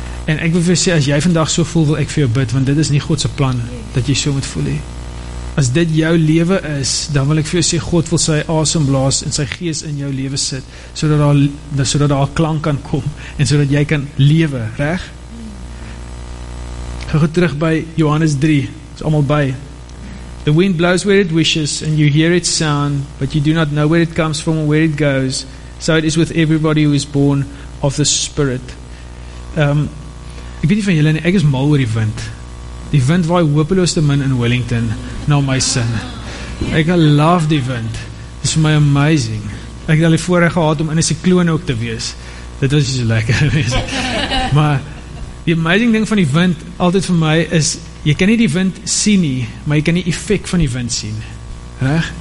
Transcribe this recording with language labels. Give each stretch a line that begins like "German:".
Afrikaans: En ek wil vir sê, as jy vandag so voel, wil ek vir jou bid, want dit is nie Godse plan, dat jy so moet voel hê. As dit jou lewe is, dan wil ek vir jou sê, God wil sy asem blaas en sy gees in jou lewe sit, so dat daar klank kan kom, en so dat jy kan lewe, reg? Gaan terug by Johannes 3, is allemaal by.
English: The wind blows where it wishes, and you hear its sound, but you do not know where it comes from or where it goes, so it is with everybody who is born of the Spirit.
Afrikaans: Ek weet nie van julle nie, ek is mal oor die wind. Die wind waai hopeloos te min in Wellington, na my sin. Ek love die wind. Dit is my amazing. Ek het al die voorreg gehad om in 'n sikloon ook te wees. Dit was so lekker geweest. Maar die amazing ding van die wind, altyd vir my, is jy kan nie die wind sien nie, maar jy kan die effek van die wind sien. Reg?